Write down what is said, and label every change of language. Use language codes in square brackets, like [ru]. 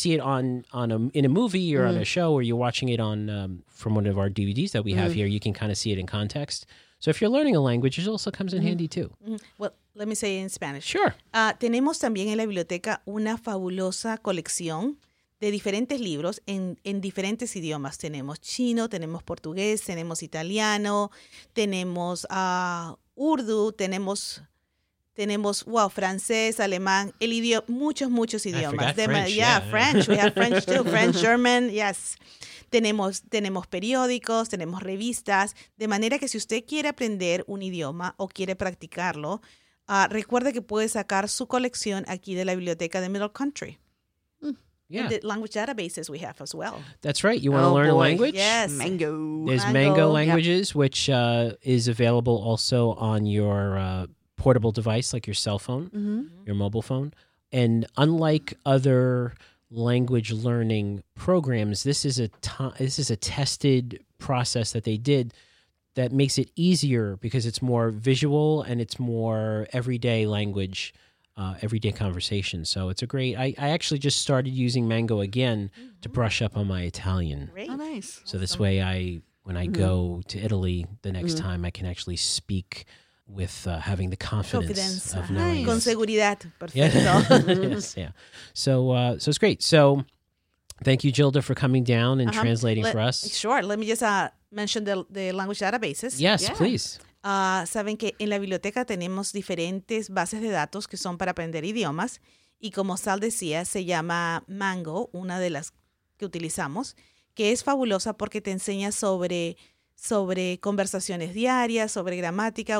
[en] When you see it in a movie or on a show, or you're watching it on from one of our DVDs that we have here, you can kind of see it in context. So if you're learning a language, it also comes in handy too. Mm-hmm. Well, let me say it in Spanish. Sure. [es] Tenemos también en la biblioteca una fabulosa colección de diferentes libros en diferentes idiomas. Tenemos chino, tenemos portugués, tenemos italiano, tenemos urdu, tenemos francés, alemán, el idioma, muchos idiomas. [en] French. We have French too. French, German, yes. [es] Tenemos periódicos, tenemos revistas, de manera que si usted quiere aprender un idioma o quiere practicarlo, recuerde que puede sacar su colección aquí de la biblioteca de Middle Country. [en] Yeah. And the language databases we have as well. That's right. You want to learn a language? Yes. Mango. There's Mango Languages, yep. Which is available also on your portable device, like your cell phone, mm-hmm. your mobile phone. And unlike other language learning programs, this is a tested process that they did that makes it easier because it's more visual and it's more everyday language. Everyday conversation. So it's a great, I actually just started using Mango again mm-hmm. to brush up on my Italian. Great. Oh, nice. So awesome. This way when I go to Italy the next time, I can actually speak with having the confidence of knowing. [es] Con seguridad. Perfecto. [en] Yeah. Yes, yeah. So it's great. So thank you, Gilda, for coming down and translating for us. Sure. Let me just mention the language databases. Yes, yeah. Please. [es] Saben que en la biblioteca tenemos diferentes bases de datos que son para aprender idiomas y como Sal decía, se llama Mango, una de las que utilizamos, que es fabulosa porque te enseña sobre conversaciones diarias, sobre gramática.